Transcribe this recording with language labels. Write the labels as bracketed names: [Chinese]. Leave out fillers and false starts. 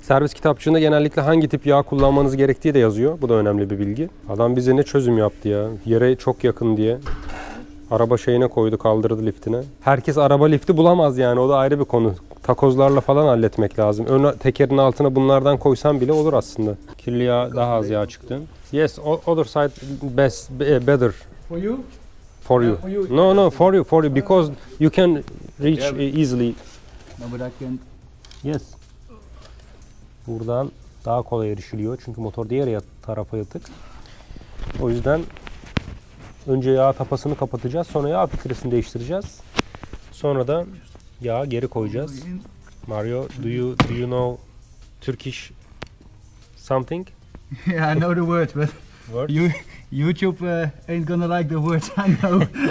[Turkish] Servis kitapçığında genellikle hangi tip yağ kullanmanız gerektiği de yazıyor. Bu da önemli bir bilgi. Adam bize ne çözüm yaptı ya, yere çok yakın diye. Araba şeyine koydu, kaldırdı liftine. Herkes araba lifti bulamaz yani, o da ayrı bir konu. Takozlarla falan halletmek lazım. Ön tekerin altına bunlardan koysan bile olur aslında. Kirli yağ, daha az yağ çıktı. [English] Yes, other side best, better. For you? For you. No, no, for you, because you can reach easily. No, but I can. Yes. [Turkish] Buradan daha kolay erişiliyor çünkü motor diğer tarafa yatık. O yüzden önce yağ tapasını kapatacağız, sonra yağ filtresini değiştireceğiz. Sonra da yağ geri koyacağız. [English] Mario, do you know Turkish something? Yeah, I know the word, but word? YouTube ain't gonna like the word I know.